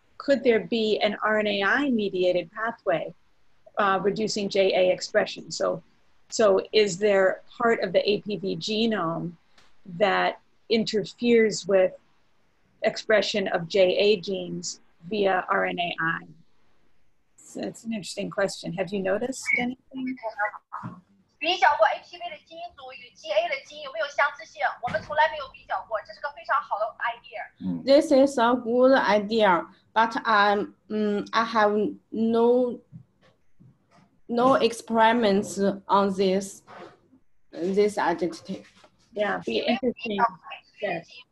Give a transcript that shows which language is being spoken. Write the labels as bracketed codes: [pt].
[en] Could there be an RNAi mediated pathway reducing JA expression? So is there part of the APV genome that interferes with expression of JA genes via RNAi? That's an interesting question. Have you noticed anything? [zh] 比较过 HPV 的基因组与 GA 的基因有没有相似性？我们从来没有比较过。这是个非常好的 idea. [en] This is a good idea, but I have no experiments on this identity. Yeah, be interesting. Yes.